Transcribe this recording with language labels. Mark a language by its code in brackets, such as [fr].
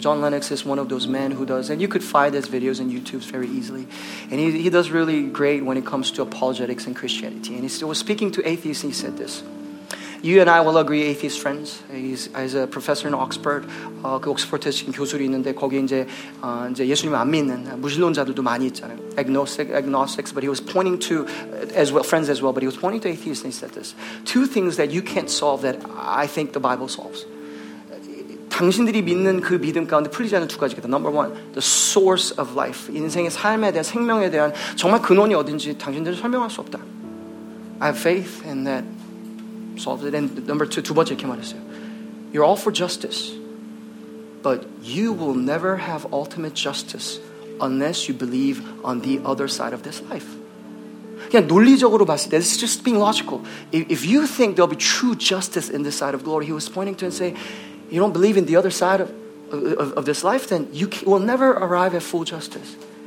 [en] John Lennox is one of those men who does, and you could find his videos on YouTube very easily. And he does really great when it comes to apologetics and Christianity. And he was speaking to atheists, and he said this. You and I will agree, atheist friends. He's a professor in Oxford. [ko] 그 옥스퍼드에 지금 교수로 있는데 거기 이제 예수님 안 믿는 무신론자들도 많이 있잖아요. [en] Agnostics, but he was pointing to as well friends as well. But he was pointing to atheists and he said this: two things that you can't solve that I think the Bible solves. [ko] 당신들이 믿는 그 믿음 가운데 풀리지 않는 두 가지가 있다. [en] Number one, the source of life. [ko] 인생의 삶에 대한 생명에 대한 정말 근원이 어딘지 당신들은 설명할 수 없다. [en] I have faith in that. Solved it. And number two, [ko] 두 번째 이렇게 말했어요. [en] You're all for justice, but you will never have ultimate justice unless you believe on the other side of this life. [ko] 그냥 논리적으로 봤을 때, [en] this is just being logical. If you think there'll be true justice in this side of glory, he was pointing to and say, you don't believe in the other side of this life, then you will never arrive at full justice.